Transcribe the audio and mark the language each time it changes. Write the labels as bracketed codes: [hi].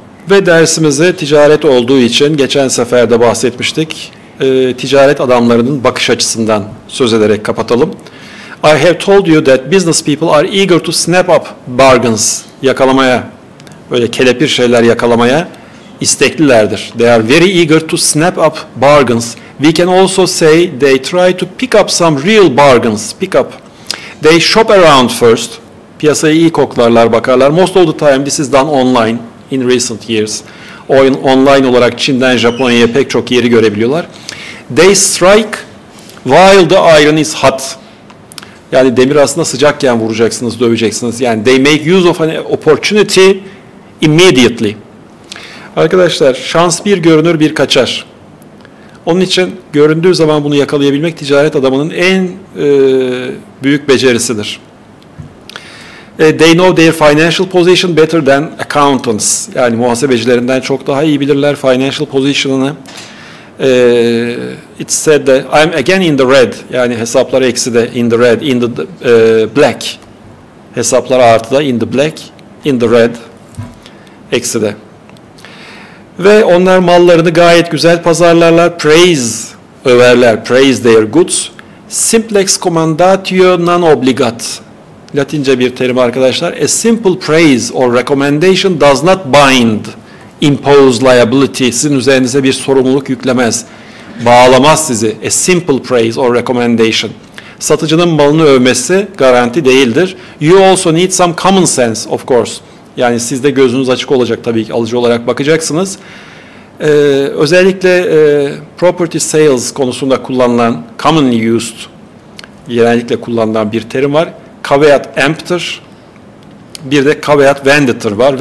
[tr] Ve dersimizde ticaret olduğu için geçen sefer de bahsetmiştik. Ticaret adamlarının bakış açısından söz ederek kapatalım. [en] I have told you that business people are eager to snap up bargains, [tr] yakalamaya, böyle kelepir şeyler yakalamaya isteklilerdir. [en] They are very eager to snap up bargains. We can also say they try to pick up some real bargains. Pick up. They shop around first. [tr] Piyasayı iyi koklarlar, bakarlar. [en] Most of the time this is done online in recent years. [tr] Online olarak Çin'den Japonya'ya pek çok yeri görebiliyorlar. [en] They strike while the iron is hot. [tr] Yani demir aslında sıcakken vuracaksınız, döveceksiniz. Yani [en] they make use of an opportunity immediately. [tr] Arkadaşlar, şans bir görünür bir kaçar. Onun için göründüğü zaman bunu yakalayabilmek ticaret adamının en büyük becerisidir. [en] They know their financial position better than accountants. [tr] Yani muhasebecilerinden çok daha iyi bilirler financial position'ını. [en] It said that I'm again in the red. [tr] Yani hesaplar eksi de [en] in the red, in the black. [tr] Hesaplar artı da [en] in the black, in the red, [tr] eksi de. Ve onlar mallarını gayet güzel pazarlarlar. Praise, överler. [en] Praise their goods. [la] Simplex commendatio non obligat. [tr] Latince bir terim arkadaşlar. [en] A simple praise or recommendation does not bind, impose liability. [tr] Sizin üzerinize bir sorumluluk yüklemez. Bağlamaz sizi. [en] A simple praise or recommendation. [tr] Satıcının malını övmesi garanti değildir. [en] You also need some common sense, of course. [tr] Yani siz de gözünüz açık olacak tabii ki, alıcı olarak bakacaksınız. Özellikle property sales konusunda kullanılan, [en] commonly used, [tr] genellikle kullanılan bir terim var. Caveat emptor, bir de caveat venditor var.